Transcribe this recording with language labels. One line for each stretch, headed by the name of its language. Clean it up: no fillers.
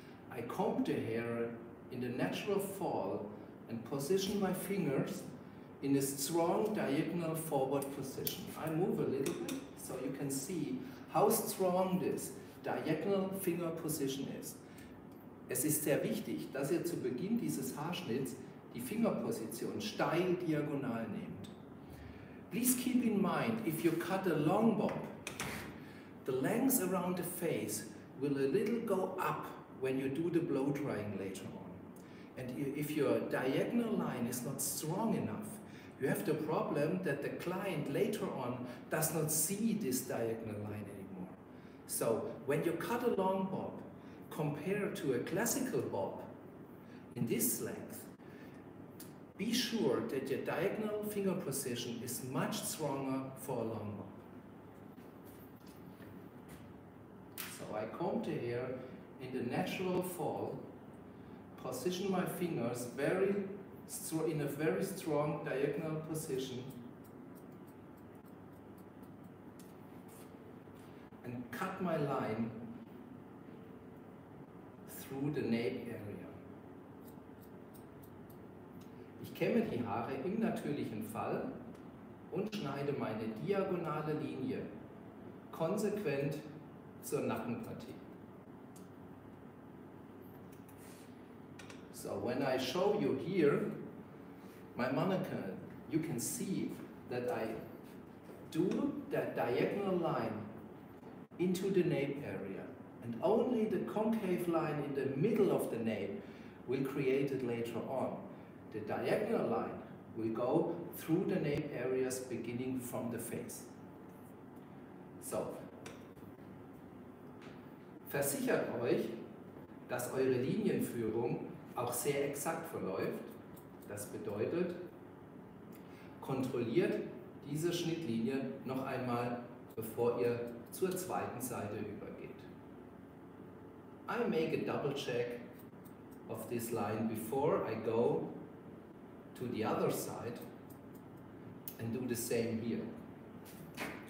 English: I comb the hair in the natural fall and position my fingers in a strong diagonal forward position. I move a little bit so you can see how strong this diagonal finger position is.
German: Es ist sehr wichtig, dass ihr zu Beginn dieses Haarschnitts die Fingerposition steil diagonal nehmt.
English: Please keep in mind, if you cut a long bob, the length around the face will a little go up when you do the blow drying later on. And if your diagonal line is not strong enough, you have the problem that the client later on does not see this diagonal line anymore. So when you cut a long bob compared to a classical bob in this length, be sure that your diagonal finger position is much stronger for a long bob. So I comb the hair in the natural fall, position my fingers in a very strong diagonal position and cut my line through the nape area.
German: Ich kämme die Haare im natürlichen Fall und schneide meine diagonale Linie konsequent zur Nackenpartie.
English: So when I show you here my monocle, you can see that I do that diagonal line into the nape area and only the concave line in the middle of the nape will create it later on. The diagonal line will go through the nape areas beginning from the face.
German: So, versichert euch, dass eure Linienführung auch sehr exakt verläuft. Das bedeutet, kontrolliert diese Schnittlinie noch einmal, bevor ihr zur zweiten Seite übergeht.
English: I make a double check of this line before I go to the other side and do the same here.